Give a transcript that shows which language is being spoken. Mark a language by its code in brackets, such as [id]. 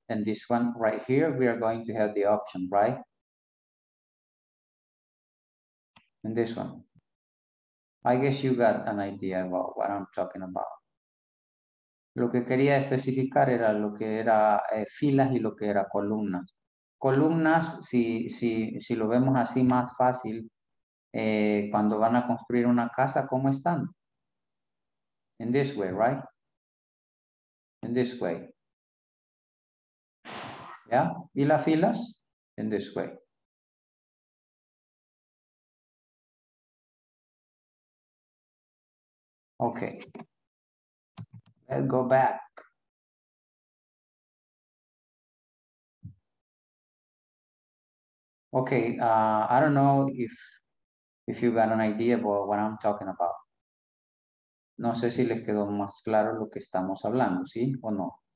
[en] And this one right here, we are going to have the option, right? And this one. I guess you got an idea about what I'm talking about. [es] Lo que quería especificar era lo que era filas y lo que era columnas. Columnas, si lo vemos así más fácil, cuando van a construir una casa, ¿cómo están? [en] In this way, right? In this way. Yeah? [es] ¿Y las filas? [en] In this way. Okay. Let's go back. Okay, I don't know if you got an idea about what I'm talking about. [es] No sé si les quedó más claro lo que estamos hablando, ¿sí o no?